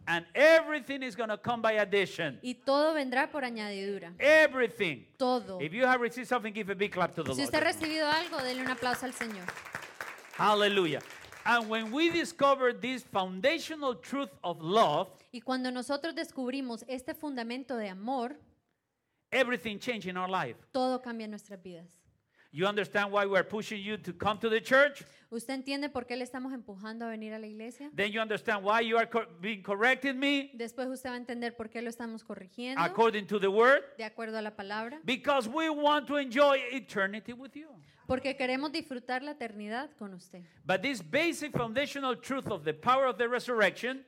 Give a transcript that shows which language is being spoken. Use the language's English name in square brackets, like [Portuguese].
[English] And everything is going to come by addition. [Spanish] Y todo vendrá por añadidura. [English] Everything. [Spanish] Todo. [English] If you have received something, give a big clap to the Lord. [Spanish] Si usted ha recibido algo, denle un aplauso al Señor. [English] Hallelujah. And when we discover this foundational truth of love, [Spanish] y cuando nosotros descubrimos este fundamento de amor, [English] everything changes in our life. [Spanish] Todo cambia en nuestras vidas. [English] You understand why we're pushing you to come to the church? [Spanish] ¿Usted entiende por qué le estamos empujando a venir a la iglesia? [English] Then you understand why you are being corrected me? [Spanish] Después usted va a entender por qué lo estamos corrigiendo. [English] According to the word? [Spanish] De acuerdo a la palabra. [English] Because we want to enjoy eternity with you. [Spanish] Porque queremos disfrutar la eternidad con usted. [English] But this basic foundational truth of the power of the resurrection.